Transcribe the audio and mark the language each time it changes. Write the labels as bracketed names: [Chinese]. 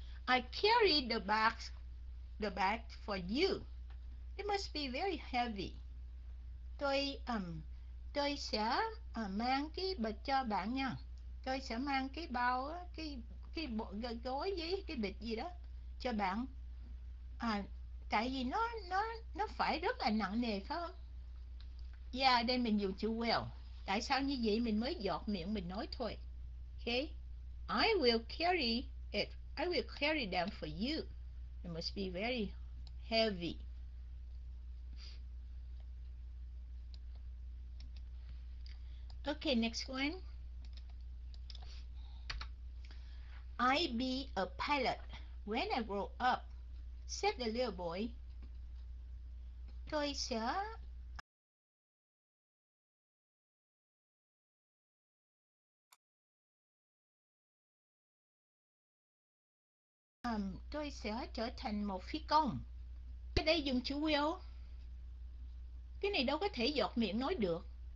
[English] I carried the bag for you, it must be very heavy. [Vietnamese] Tôi sẽ mang cái bịch cho bạn nha. Tôi sẽ mang cái bao, cái gối gì, cái bịch gì đó cho bạn. À, tại vì nó phải rất là nặng nề phải không? Yeah, đây mình dùng chữ will. Tại sao như vậy? Mình mới giọt miệng mình nói thôi. [English] Okay. I will carry it. I will carry them for you. It must be very heavy. Okay, next one. I be a pilot when I grow up, said the little boy. [Vietnamese] Tôi sẽ tôi sẽ trở thành một phi công. Cái đây dùng chữ will. Cái này đâu có thể giọt miệng nói được.